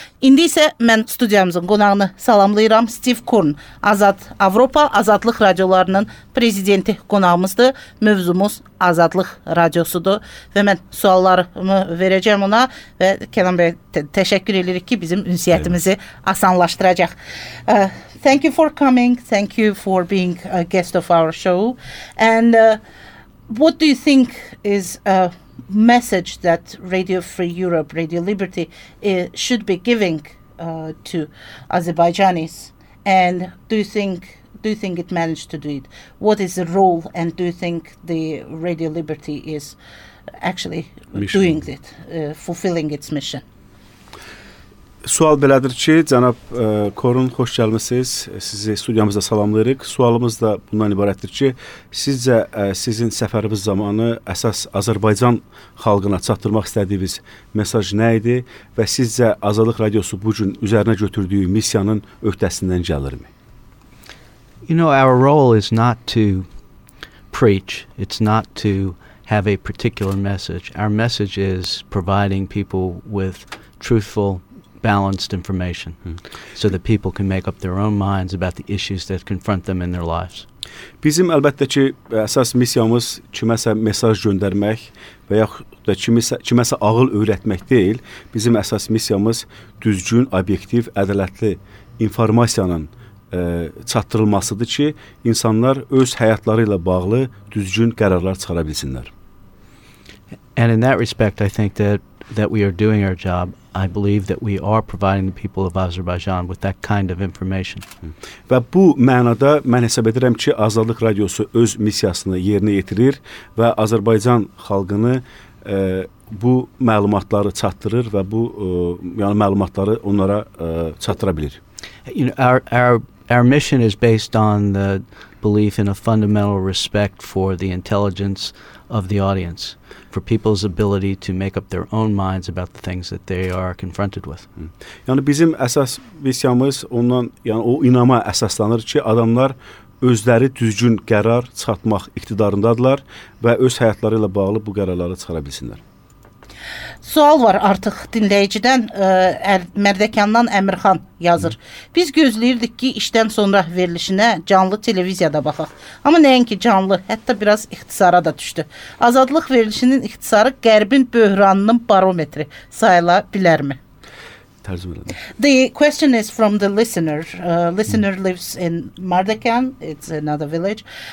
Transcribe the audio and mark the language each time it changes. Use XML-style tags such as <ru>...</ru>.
<az>İndi isə mən studiyamızın qonağını salamlayıram. Stiv Kurn, Azad Avropa, Azadlıq Radiolarının prezidenti qonağımızdır. Mövzumuz Azadlıq Radiosudur. Və mən suallarımı verəcəm ona və Kenan Bey təşəkkür edirik ki, bizim ünsiyyətimizi asanlaşdıracaq.</az> <en>Thank you for coming. Thank you for being a guest of our show. And what do you think is a message that Radio Free Europe, Radio Liberty, should be giving to Azerbaijanis? And do you think it managed to do it? What is the role? And do you think the Radio Liberty is actually mission. Doing it, fulfilling its mission?</en> <az>Sual belədir ki, cənab Korun, xoş gəlmişsiniz. Sizi studiyamızda salamlayırıq. Sualımız da bundan ibarətdir ki, sizcə sizin səfəriniz zamanı əsas Azərbaycan xalqına çatdırmaq istədiyiniz mesaj nə idi və sizcə Azadlıq Radiosu bugün üzərinə götürdüyü missiyanın öhdəsindən gəlirmi?</az> <en>You know, our role is not to preach. It's not to have a particular message. Our message is providing people with truthful, balanced information so that people can make up their own minds about the issues that confront them in their lives.</en> <az>Bizim əlbəttə ki əsas missiyamız kiməsə mesaj göndərmək və yaxud da kiməsə ağıl öyrətmək deyil. Bizim əsas missiyamız düzgün, obyektiv, ədalətli informasiyanın çatdırılmasıdır ki insanlar öz həyatları ilə bağlı düzgün qərarlar çıxara bilsinlər.</az> <en>And in that respect I think that we are doing our job. I believe that we are providing the people of Azerbaijan with that kind of information.</en> <az>Və bu mənada mən hesab edirəm ki, Azadlıq Radiosu öz missiyasını yerinə yetirir və Azərbaycan xalqını bu məlumatları çatdırır və bu yəni məlumatları onlara çatdıra bilir.</az> <en>You know, our mission is based on the belief in a fundamental respect for the intelligence of the audience, for people's ability to make up their own minds about the things that they are confronted with.</en> <az>Yəni bizim əsas missiyamız ondan, yəni o inama əsaslanır ki, adamlar özləri düzgün qərar çıxartmaq iqtidarındadırlar və öz həyatları ilə bağlı bu qərarları çıxara bilsinlər. Sual var artıq dinləyicidən, Mərdəkandan Əmirxan yazır. Biz gözləyirdik ki, işdən sonra verilişinə canlı televiziyada baxaq. Amma nəinki canlı, hətta biraz ixtisara da düşdü. Azadlıq verilişinin ixtisarı qərbin böhranının barometri sayıla bilərmi?</az> <en>The question is from the listener. Listener lives in Mərdəkan, it's another village.</en>